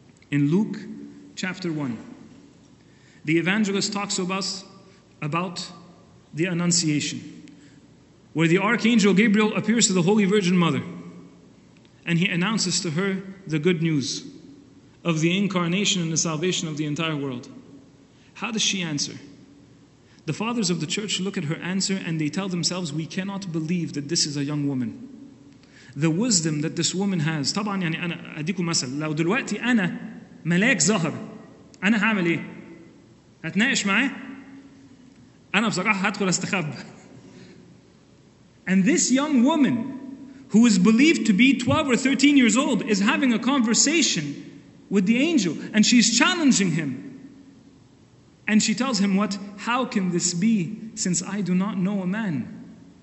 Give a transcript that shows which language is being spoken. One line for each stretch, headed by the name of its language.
English: In Luke chapter 1, the evangelist talks about the Annunciation, where the archangel Gabriel appears to the Holy Virgin Mother, and he announces to her the good news of the incarnation and the salvation of the entire world. How does she answer? The fathers of the church look at her answer and they tell themselves, we cannot believe that this is a young woman. The wisdom that this woman has.
Arabic: طبعا يعني أنا أديكم مثل لو دلوقتي أنا ملاك ظهر أنا هعمل إيه؟ هتناقش معي؟ أنا بصراحة هدخل أستخب.
English: And this young woman, who is believed to be 12 or 13 years old, is having a conversation with the angel and she's challenging him. And she tells him, what? How can this be, since I do not know a man?